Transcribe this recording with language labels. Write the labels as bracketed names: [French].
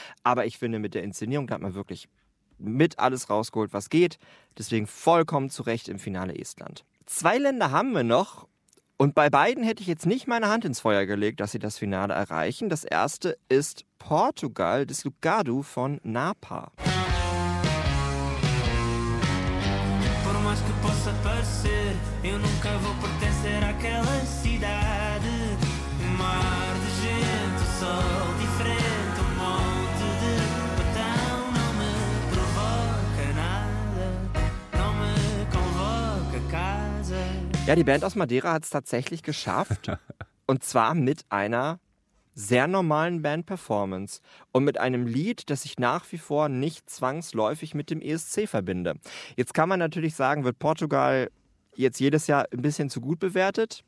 [German] Aber ich finde, mit der Inszenierung hat man wirklich mit alles rausgeholt, was geht. Deswegen vollkommen zu Recht im Finale Estland. Zwei Länder haben wir noch und bei beiden hätte ich jetzt nicht meine Hand ins Feuer gelegt, dass sie das Finale erreichen. Das erste ist Portugal, Deslugado von Napa. [Portuguese] Por mais que possa parecer, eu nunca vou pertencer àquela cidade. Mar de gente, sol diferente, monte de botão. Não me provoca nada, não me convoca casa. [German] Ja, die Band aus Madeira hat es tatsächlich geschafft. Und zwar mit einer sehr normalen Band-Performance und mit einem Lied, das ich nach wie vor nicht zwangsläufig mit dem ESC verbinde. Jetzt kann man natürlich sagen, wird Portugal jetzt jedes Jahr ein bisschen zu gut bewertet?